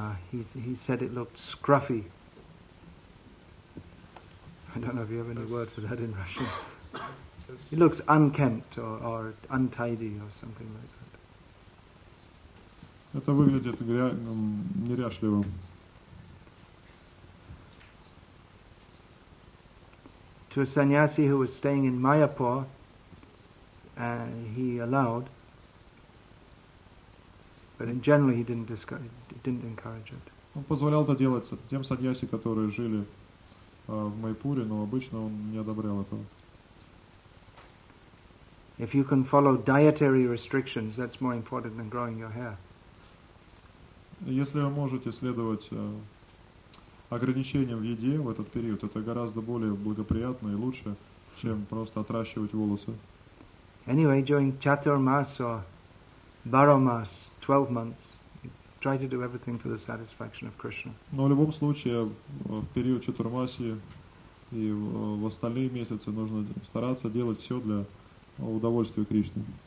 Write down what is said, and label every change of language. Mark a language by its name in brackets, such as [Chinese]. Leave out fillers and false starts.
[English] He said it looked scruffy. I don't know if you have any word for that in Russian. It looks unkempt or untidy or something like that. [Russian] Это выглядит неряшливо. [English] To a sannyasi who was staying in Mayapur, he allowed, but in general he didn't encourage it. [Russian] Он позволял это делать тем саньяси, которые жили в Майпуре, но обычно он не одобрял этого. [English] If you can follow dietary restrictions, that's more important than growing your hair. [Russian] Если вы можете следовать ограничением в еде в этот период, это гораздо более благоприятно и лучше, чем просто отращивать волосы. [English] Anyway, during Chaturmas or Baromas, 12 months, try to do everything for the satisfaction of Krishna. [Russian] Но в любом случае, в период Чатурмаси и в остальные месяцы нужно стараться делать все для удовольствия Кришны.